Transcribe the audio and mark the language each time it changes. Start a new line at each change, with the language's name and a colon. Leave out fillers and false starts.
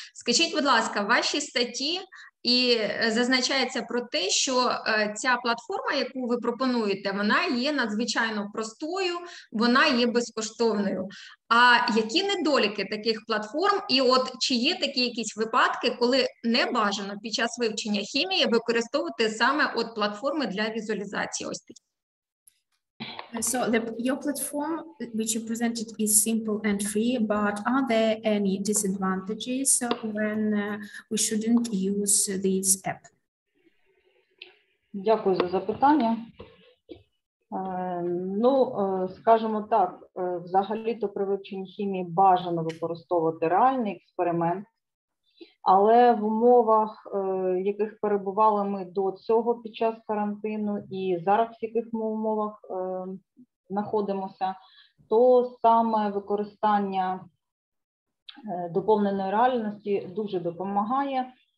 Ukrainian: Скажіть, будь ласка, ваші статті і зазначається про те, що ця платформа, яку ви пропонуєте, вона є надзвичайно простою, вона є безкоштовною. А які недоліки таких платформ? І от чи є такі якісь випадки, коли не бажано під час вивчення хімії використовувати саме от платформи для візуалізації? Ось такі.
English: So your platform, which you presented, is simple and free, but are there any disadvantages when we shouldn't use this app?
Ukrainian: Дякую за запитання. Ну, скажімо так, взагалі-то при вивченні хімії бажано використовувати реальний експеримент. Але в умовах, яких перебували ми до цього під час карантину і зараз, в яких ми умовах знаходимося, то саме використання доповненої реальності дуже допомагає.